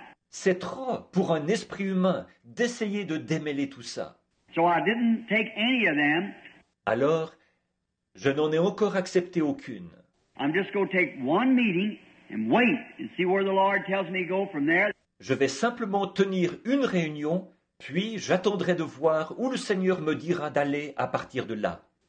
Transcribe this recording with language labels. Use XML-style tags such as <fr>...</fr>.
<fr>C'est trop pour un esprit humain d'essayer de démêler tout ça.</fr> <en>So I didn't take any of them.</en> <fr>Alors, je n'en ai encore accepté aucune.</fr> <en>I'm just going to take one meeting and wait and see where the Lord tells me to go from there.</en> <fr>Je vais simplement tenir une réunion. Puis j'attendrai de voir où le Seigneur me dira d'aller à partir de là.</fr>